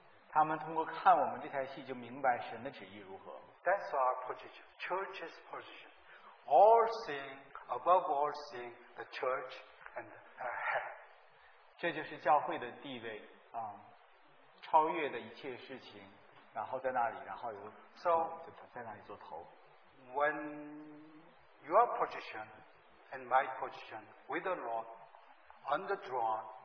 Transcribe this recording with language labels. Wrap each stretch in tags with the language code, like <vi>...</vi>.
<zh>他们通过看我们这台戏就明白神的旨意如何。</zh> <en>That's our position, church's position. All things, above all things, the church and head.</en> <zh>这就是教会的地位, 超越的一切事情, 然后在那里, 然后有,</zh> <en>so,</en> <zh>在那里做头。</zh> <en>When your position and my position with the Lord underdrawn,</en>